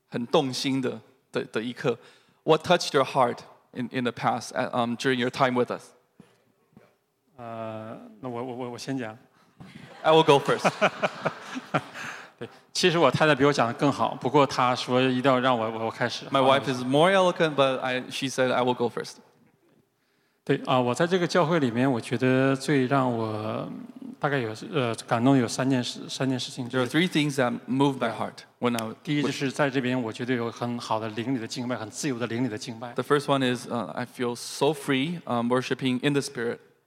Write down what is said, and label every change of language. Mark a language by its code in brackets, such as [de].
[zh] 然后，什么是来到这里之后印象很深刻、很动心的一刻？ [en] What touched your heart in the past during your time with us? [zh] 那我先讲。 [en] I will go first. [zh] 其实我太太比我讲得更好，不过她说一定要让我开始。 [en] My wife is more eloquent, but she said I will go first. [zh] 对，我在这个教会里面，我觉得最让我大概有感动有三件事情。 [en] There are three things that moved my heart when I. [zh] 第一就是在这边，我觉得有很好的灵里的敬拜，很自由的灵里的敬拜。 [en] The first one is I feel so free worshiping in the spirit.